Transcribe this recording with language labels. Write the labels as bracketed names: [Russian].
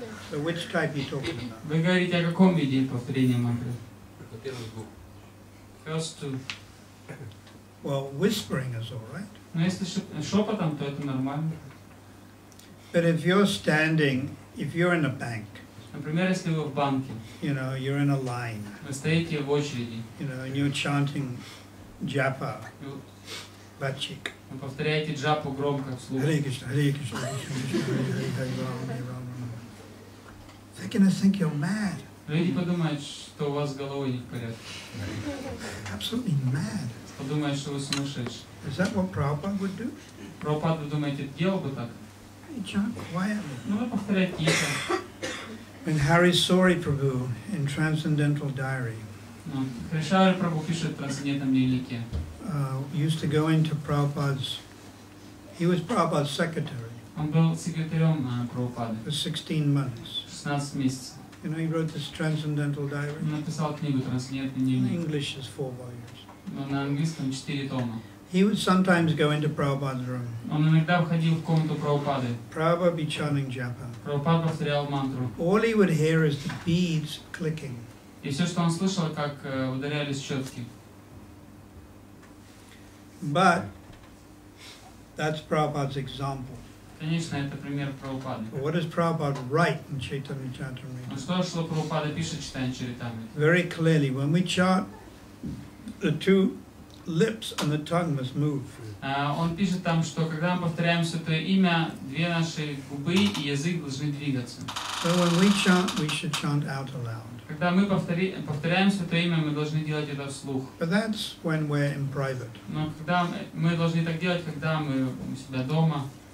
[English] So which type are you talking about? [Russian] Вы говорите о каком виде повторения мантры? [English] First two. Well, whispering is all right. [Russian] Но если шепотом, то это нормально. [English] But if you're standing, if you're in a bank. [Russian] Например, если вы в банке. [English] You know, you're in a line. [Russian] Вы стоите в очереди. [English] You know, and you're chanting japa. Vachik. [Russian] Вы повторяете джапу громко вслух. [English] Hare Krishna, Hare Krishna, Krishna, they're going to think you're mad. [Russian] Люди подумают, что у вас с головой не в порядке. [English] Absolutely mad. [Russian] Подумают, что вы сумасшедший. [English] Is that what Prabhupada would do? [Russian] Прабхупада, вы думаете, делал бы так? [English] Hey, John, quietly. [Russian] Ну, повторять тихо. [English] When Hari Sori Prabhu in Transcendental Diary. [Russian] Хришхари Прабху пишет в трансцендентном дневнике. [English] Used to go into Prabhupada's. He was Prabhupada's secretary. [Russian] Он был секретарем Прабхупады. [English] For 16 months. You know, he wrote this Transcendental Diary. [Russian] Написал книгу Трансцендентный дневник. [English] English is 4 volumes. [Russian] Но на английском 4 тома. [English] He would sometimes go into Prabhupada's room. [Russian] Он иногда входил в комнату Прабхупады. [English] Prabhupada be chanting japa. [Russian] Прабхупада повторял мантру. [English] All he would hear is the beads clicking. [Russian] И все, что он слышал, как ударялись четки. [English] But that's Prabhupada's example. [Russian] Конечно, это пример Прабхупады. [English] What does Prabhupada write in Chaitanya Charitamrita? [Russian] Что же Прабхупада пишет в Читании Чаритамриты? [English] Very clearly, when we chant, the two lips and the tongue must move. [Russian] Он пишет там, что когда мы повторяем Святое Имя, две наши губы и язык должны двигаться. [English] So when we chant, we should chant out aloud. [Russian] Когда мы повторяем Святое Имя, мы должны делать это вслух. [English] But that's when we're in private. [Russian] Но когда мы должны так делать, когда мы у себя дома.